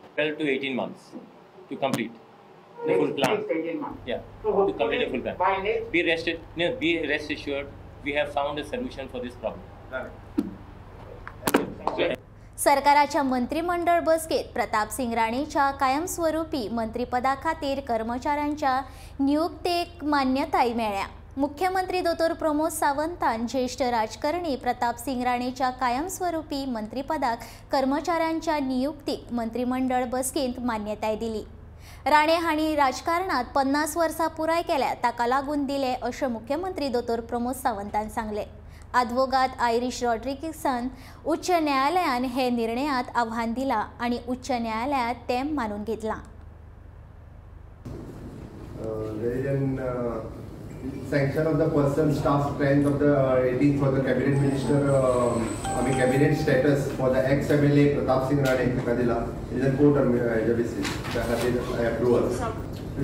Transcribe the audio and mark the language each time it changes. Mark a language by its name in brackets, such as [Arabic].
[English] 12 to 18 months to complete the full plan. Next 18 months. Yeah, to complete the full plan. Be rest assured, we have found a solution for this problem. [Goan Konkani] सरकाराच्या मंत्रिमंडळ बसकेत प्रताप सिंग राणेच्या कायमस्वरूपी मंत्रीपदा खातीर कर्मचाऱ्यांच्या नियुक्तेक मान्यताय मेळ्या. मुख्यमंत्री दोतोर प्रमोद सावंतान ज्येष्ठ राजकारणी प्रताप सिंग राणेच्या कायमस्वरूपी मंत्रीपदाक कर्मचाऱ्यांच्या नियुक्तीक मंत्रिमंडळ बसकेंत मान्यताय दिली. राणे हांणी राजकारणांत 50 वर्सां पुराय केल्या ताका लागून दिले अशें मुख्यमंत्री दोतोर प्रमोद सावंतान सांगलें. आदवोगाद आयरिश रॉड्रिगीसान उच्च न्यायालयान हे निर्णयात आव्हान दिला आणि उच्च न्यायालयात ते मानून घेतला. [English] sanction of the person staff strength of the 18th for the cabinet minister आणि cabinet status for the ex MLA Pratap Singh Rane [Goan Konkani] हिका दिला [English] Is a court approval.